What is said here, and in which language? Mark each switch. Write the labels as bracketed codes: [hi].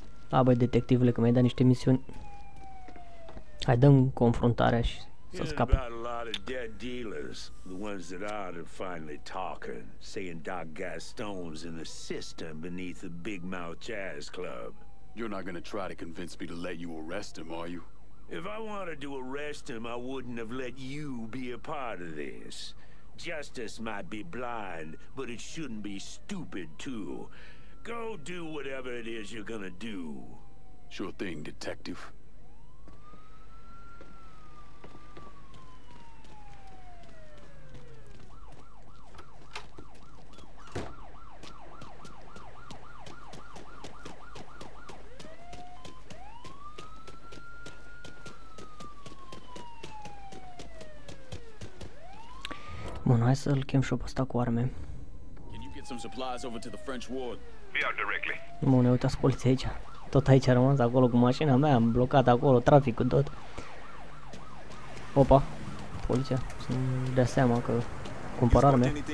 [ro] A, băi, detectivule, că mi-ai dat niște misiuni. Hai, dăm confruntarea și să scape. [en] About a lot of dead dealers, the ones that are finally talking, saying Doc Gaston's in the system beneath the Big Mouth Jazz Club. You're not gonna try to convince me to let you arrest him, are you? If I wanted to arrest him, I wouldn't have let you be a part of this. Justice might be blind, but it shouldn't be stupid, too. Go do whatever it is you're gonna do. Sure thing, detective. [ro] Bun, hai să-l chem și-o pe ăsta cu arme. [en] Can you get some supplies over to the French ward? Be out directly. [ro] Bun, uitați poliția aici. Tot aici a rămas acolo cu mașina mea, am blocat acolo traficul tot. Opa, poliția, să-mi dea seama că cumpăr arme.